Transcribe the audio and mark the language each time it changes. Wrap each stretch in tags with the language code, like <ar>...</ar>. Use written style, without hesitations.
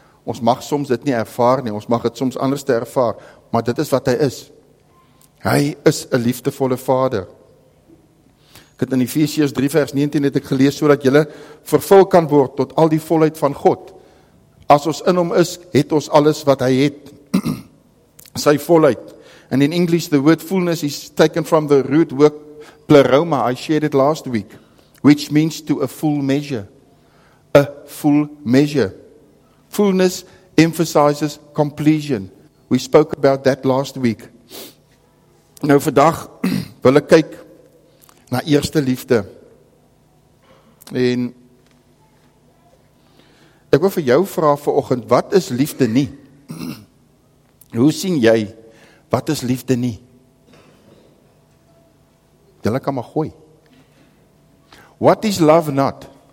<af>Ons mag soms dit nie ervaar nie, ons mag dit soms anders te ervaar, maar dit is wat hy is. Hy is 'n liefdevolle Vader. Ek het in Efesiërs 3 vers 19 het ek gelees, sodat julle vervul kan word tot al die volheid van God. As ons in hom is, het ons alles wat hy het. Sy volheid.</af> <en>And in English, the word fullness is taken from the root word pleroma. I shared it last week. Which means to a full measure. A full measure. Fullness emphasizes completion. We spoke about that last week.</en> <af>Nou, vandag wil ek kyk na eerste liefde. En ek wil vir jou vra vanoggend, wat is liefde nie? Hoe sien jy, wat is liefde nie? Dille kan maar gooi.</af> <en>What is love not?</en>